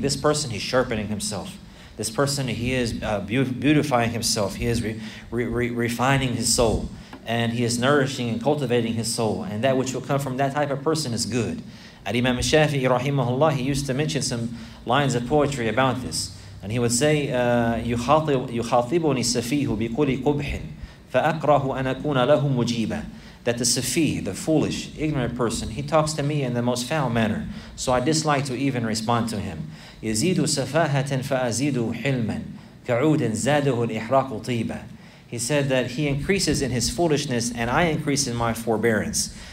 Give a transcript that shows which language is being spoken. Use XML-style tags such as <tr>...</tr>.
<en>This person, he's sharpening himself. This person, he is beautifying himself. He is refining his soul and he is nourishing and cultivating his soul. And that which will come from that type of person is good. Al-Imam Shafi'i rahimahullah, he used to mention some lines of poetry about this. And he would say,</en> <ar>يُخَاطِبُنِي السَّفِيهُ بِكُلِ قُبْحٍ فَأَكْرَهُ أَنْ أَكُونَ لَهُ مُجِيبًا.</ar> <en>That the Safi, the foolish, ignorant person, he talks to me in the most foul manner. So I dislike to even respond to him.</en> <ar>يَزِيدُ سَفَاهَةً فَأَزِيدُ حِلْمًا كَعُودٍ زَادَهُ الْإِحْرَاقُ طِيبًا.</ar> <en>He said that he increases in his foolishness and I increase in my forbearance.</en>